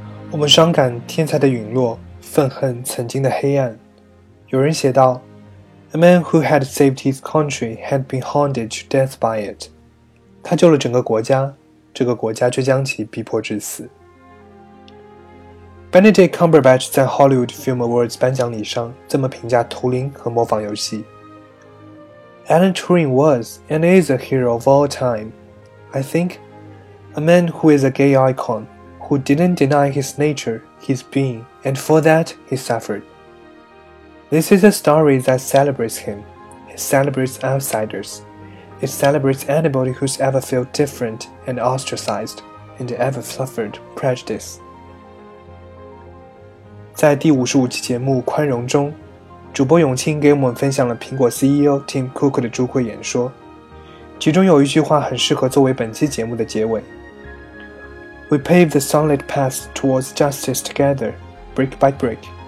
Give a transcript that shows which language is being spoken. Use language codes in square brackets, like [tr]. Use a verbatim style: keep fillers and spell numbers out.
[zh] 我们伤感天才的陨落，愤恨曾经的黑暗。有人写道 [en] A man who had saved his country had been haunted to death by it. [zh] 他救了整个国家，这个国家却将其逼迫致死。 [en] Benedict Cumberbatch [zh] 在 Hollywood Film Awards 颁奖礼上这么评价图灵和模仿游戏 [en] Alan Turing was and is a hero of all time. I think a man who is a gay icon, who didn't deny his nature, his being, and for that he suffered. This is a story that celebrates him. It celebrates outsiders. It celebrates anybody who's ever felt different and ostracized, and ever suffered prejudice. [zh] 在第五十五期节目《宽容》中，主播永清给我们分享了苹果 C E O Tim Cook 的祝会演说，其中有一句话很适合作为本期节目的结尾。 [en] We pave the sunlit path towards justice together, brick by brick.